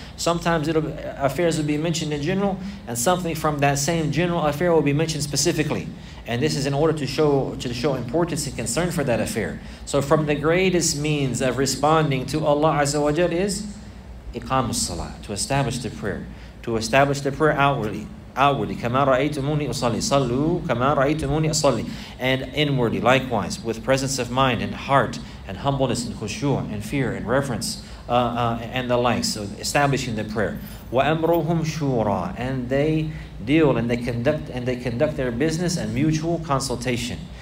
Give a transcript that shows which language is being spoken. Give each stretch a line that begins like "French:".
English: Sometimes affairs will be mentioned in general, and something from that same general affair will be mentioned specifically. And this is in order to show importance and concern for that affair. So from the greatest means of responding to Allah Azza wa Jal is iqam as-salat, to establish the prayer. To establish the prayer outwardly.
Arabic: Outwardly, كَمَا رَأَيْتُمُونِي أُصَلِّي صَلُّوا كَمَا رَأَيْتُمُونِي أُصَلِّي.
English: And inwardly, likewise, with presence of mind and heart and humbleness and khushu' and fear and reverence and the like. So establishing the prayer.
Arabic: وَأَمْرُهُمْ شُورًا.
English: And they deal and they conduct their business and mutual consultation.